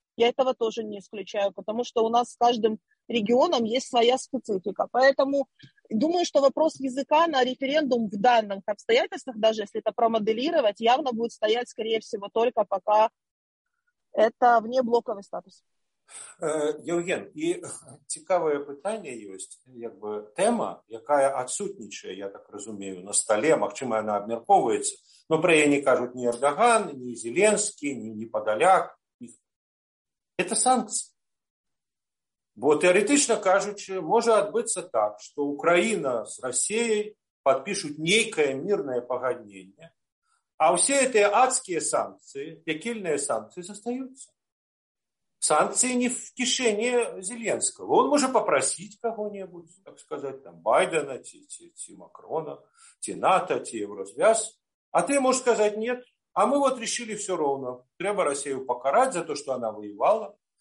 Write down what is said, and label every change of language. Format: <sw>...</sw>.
<ru>Я этого тоже не исключаю, потому что у нас с каждым регионом есть своя специфика. Поэтому думаю, что вопрос языка на референдум в данных обстоятельствах, даже если это промоделировать, явно будет стоять, скорее всего, только пока это вне блоковый статус.</ru> <uk>Євген, і цікаве питання є, якби тема, яка відсутнічає, я так розумію, на столі, можливо, вона обмірковується, але про неї не кажуть ні Ердоган, ні Зеленський, ні Подоляк. Це санкції. Бо теоретично кажучи, може відбутися так, що Україна з Росією підпишуть неке мирне погоднення, а всі ці адські санкції, пекільні санкції, залишаються.</uk> <ru>Санкции не в кишени Зеленского. Он может попросить кого-нибудь, так сказать, там, Байдена, ти Макрона, ти НАТО, ти Евросвяз. А ты можешь сказать нет. А мы вот решили все ровно.</ru> <uk>Треба</uk> <ru>Россию покарать за то, что она воевала.</ru>